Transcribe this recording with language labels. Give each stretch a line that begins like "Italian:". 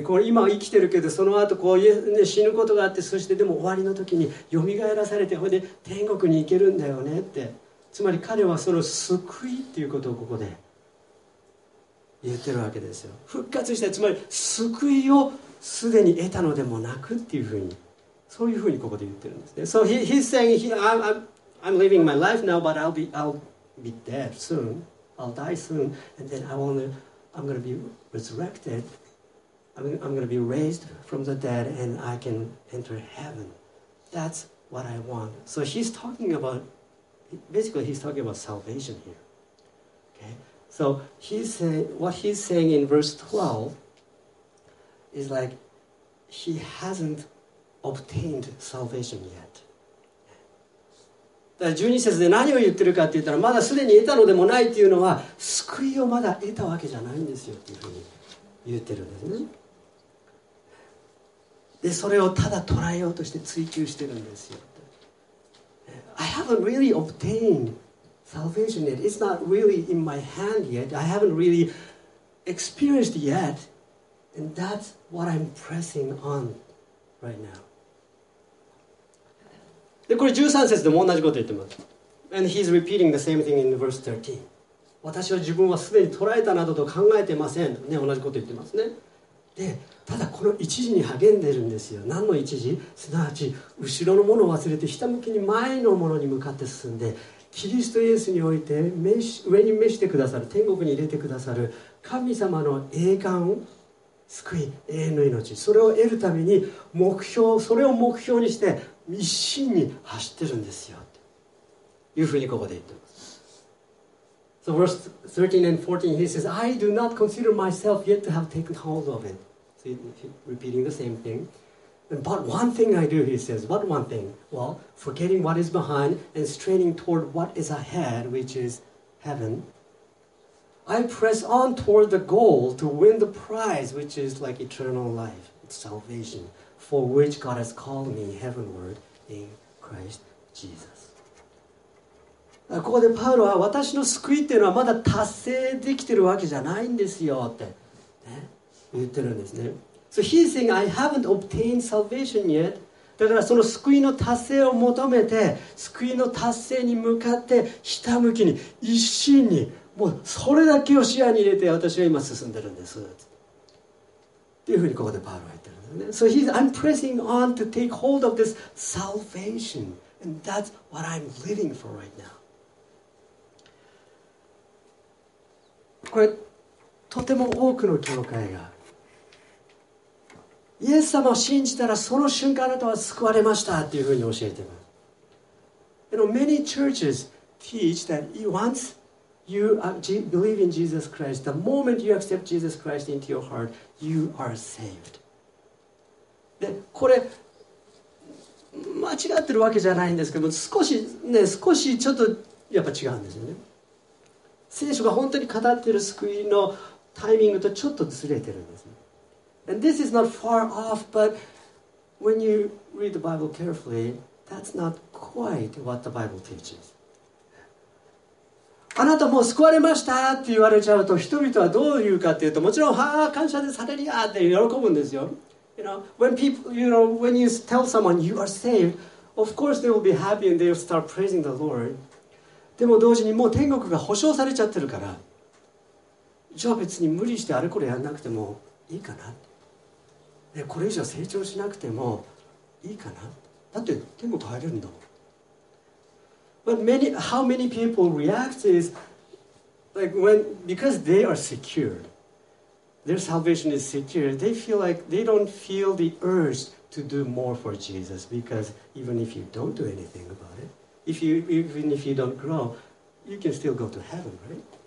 Japanese: こう今生きてるけど、その後こう、ね、死ぬことがあって、そしてでも終わりの時によみがえらされて、それで天国に行けるんだよねって。つまり彼はその救いっていうことをここで言ってるわけですよ。復活した、つまり救いをすでに得たのでもなくっていうふうに、そういうふうにここで言ってるんですね。
English: So he's saying I'm living my life now, but I'll be dead soonI'll die soon, and then I'm going to be resurrected. I'm going to be raised from the dead, and I can enter heaven. That's what I want. So he's talking about, basically he's talking about salvation here. Okay? So he's saying, what he's saying in verse 12 is like he hasn't obtained salvation yet.
Japanese: 12節で何を言ってるかって言ったら、まだすでに得たのでもないっていうのは、救いをまだ得たわけじゃないんですよっていうふうに言ってるんですね。で、それをただ捉えようとして追求してるんですよ。
English: I haven't really obtained salvation yet. It's not really in my hand yet. I haven't really experienced yet. And that's what I'm pressing on right now.
Japanese: でこれ13節でも同じこと言ってます。
English: And he's repeating the same thing in verse 13.
Japanese: 私は自分はすでに捉えたなどと考えてません。ね、同じこと言ってますね。で、ただこの一時に励んでるんですよ。何の一時？すなわち後ろのものを忘れてひたむきに前のものに向かって進んで、キリストイエスにおいて上に召してくださる、天国に入れてくださる神様の栄冠、救い、永遠の命、それを得るために目標、それを目標にして一心に走ってるんですよというふうにここで言ってます。
English: So verse 13 and 14 he says I do not consider myself yet to have taken hold of it. So repeating the same thing. But one thing I do, he says. What one thing? Well, forgetting what is behind and straining toward what is ahead, which is heaven, I press on toward the goal to win the prize, which is like eternal life, salvation. For which God has called me heavenward in Christ Jesus.
Japanese: ここでパウロは私の救いっていうのはまだ達成できてるわけじゃないんですよって、ね、言ってるんですね。
English: So he's saying I haven't obtained salvation yet.
Japanese: だからその救いの達成を求めて、救いの達成に向かってひたむきに一心にもうそれだけを視野に入れて私は今進んでるんですっていうふうにここでパウロは言ってる。
English: So he's, I'm pressing on to take hold of this salvation, and that's what I'm living for right now.
Japanese: これとても多くの教会がイエス様を信じたらその瞬間あなたは救われましたっていうふうに教えてます。
English: You know, many churches teach that once you believe in Jesus Christ, the moment you accept Jesus Christ into your heart, you are saved.
Japanese: でこれ間違ってるわけじゃないんですけども、少しね、少しちょっとやっぱ違うんですよね。聖書が本当に語ってる救いのタイミングとちょっとずれてるんですね。
English: And this is not far off, but when you read the Bible carefully, that's not quite what the Bible teaches.
Japanese: あなたもう救われましたって言われちゃうと、人々はどう言うかっていうと、もちろん、はあ、感謝でされりゃって喜ぶんですよ。
English: You know, when people, you know, when you tell someone you are saved, of course they will be happy and they will start praising the Lord.
Japanese: でも同時にもう天国が保証されちゃってるから、じゃあ別に無理してあれこれやんなくてもいいかな。で、これ以上成長しなくてもいいかな。だって天国入れるんだもん。
English: But many, how many people react is like when, because they are secured. Their salvation is secure. They feel like they don't feel the urge to do more for Jesus because even if you don't do anything about it, if you, even if you don't grow, you can still go to heaven, right?